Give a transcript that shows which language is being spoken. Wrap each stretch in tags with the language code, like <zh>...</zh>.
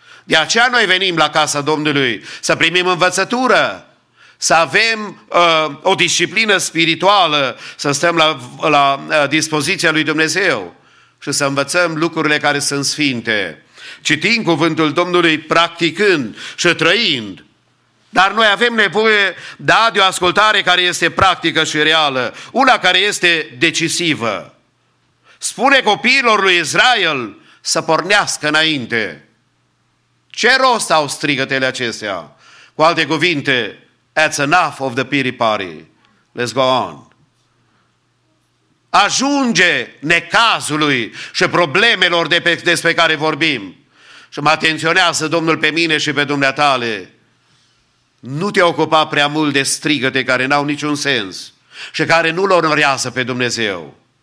<ro>De aceea noi venim la casa Domnului să primim învățătură, să avem o disciplină spirituală, să stăm la dispoziția lui Dumnezeu și să învățăm lucrurile care sunt sfinte, citind cuvântul Domnului, practicând și trăind. Dar noi avem nevoie, da, de o ascultare care este practică și reală, una care este decisivă. Spune copiilor lui Israel să pornească înainte. Ce rost au strigătele acestea? Cu alte cuvinte,</ro> <en>that's enough of the pity party. Let's go on.</en> <ro>Ajunge necazului și problemelor despre care vorbim. Și mă atenționează Domnul pe mine și pe dumneatale. Nu te ocupa prea mult de strigăte care n-au niciun sens și care nu-L onorează pe Dumnezeu.</ro>